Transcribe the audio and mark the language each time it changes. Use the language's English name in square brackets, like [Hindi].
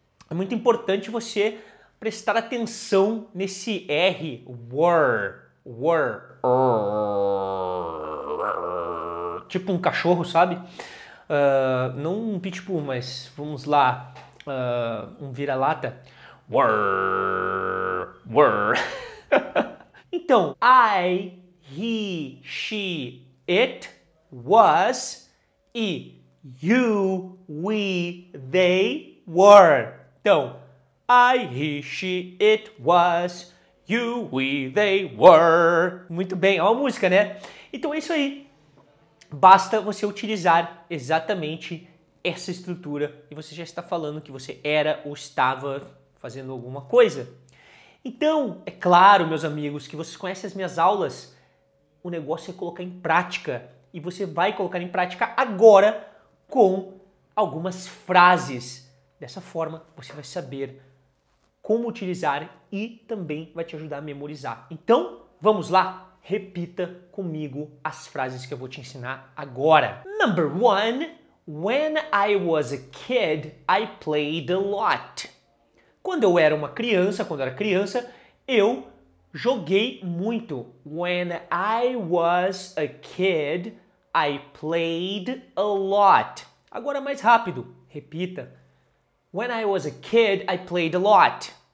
[Portuguese] É muito importante você prestar atenção nesse R, were, were, tipo um cachorro, sabe? Não um pitbull, mas vamos lá, um vira-lata, were, were. [English] Então, I, he, she, it, was, e you, we, they, were. Então, I, he, she, it, was, you, we, they, were. [Portuguese] Muito bem, olha a música, né? Então é isso aí. Basta você utilizar exatamente essa estrutura e você já está falando que você era ou estava fazendo alguma coisa. Então, é claro, meus amigos, que vocês conhecem as minhas aulas. O negócio é colocar em prática. E você vai colocar em prática agora com algumas frases. Dessa forma, você vai saber como utilizar e também vai te ajudar a memorizar. Então, vamos lá? Repita comigo as frases que eu vou te ensinar agora. [English] Number one, when I was a kid, I played a lot. [Portuguese] Quando eu era uma criança, eu joguei muito. [English] When I was a kid, I played a lot. [Portuguese] Agora mais rápido, repita. [English] When I was a kid, I played a lot.